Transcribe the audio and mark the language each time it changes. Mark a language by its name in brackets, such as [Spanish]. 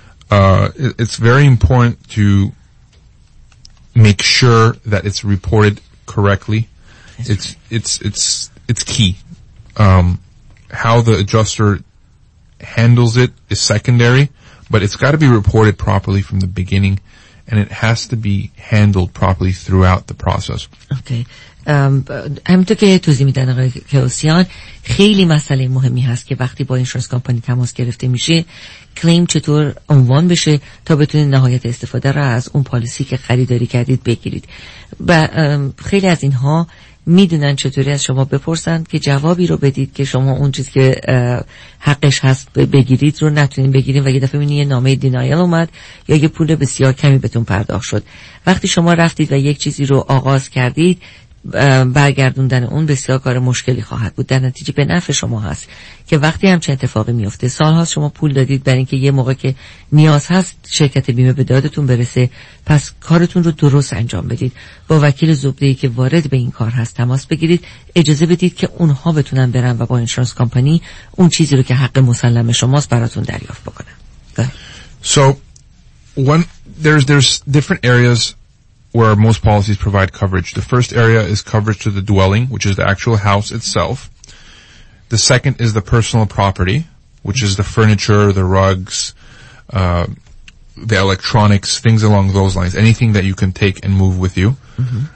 [English] It's very important to make sure that it's reported correctly. It's key. How the adjuster handles it is secondary, but it's got to be reported properly from the beginning, and it has to be handled properly throughout the process. Okay. [Persian] همینطور که توضیح میدن آقای کیوسیان، خیلی مسئله مهمی هست که وقتی با اینشورنس کمپانی تماس گرفته میشه کلیم چطور عنوان بشه تا بتونید نهایت استفاده را از اون پالیسی که خریداری کردید بگیرید. و خیلی از اینها میدونن چطوری از شما بپرسن که جوابی رو بدید که شما اون چیزی که حقش هست بگیرید رو نتونین بگیرید و یه دفعه میبینید یه نامه دینایل اومد یا یه پول بسیار کمی بهتون پرداخت شد. وقتی شما رفتید و یک چیزی رو آغاز کردید، برگردوندن اون بسیار کار مشکلی خواهد بود. در نتیجه به نفع شما هست که وقتی همچین اتفاقی میفته، سالهاست شما پول دادید برای اینکه یه موقع که نیاز هست شرکت بیمه به دادتون برسه، پس کارتون رو درست انجام بدید. با وکیل زبده‌ای که وارد به این کار هست تماس بگیرید، اجازه بدید که اونها بتونن برن و با اینشورنس کمپانی اون چیزی رو که حق مسلم شماست براتون دریافت بکنن. [English] So when there's different areas where most policies provide coverage. The first area is coverage to the dwelling, which is the actual house itself. The second is the personal property, which is the furniture, the rugs, the electronics, things along those lines, anything that you can take and move with you. Mm-hmm.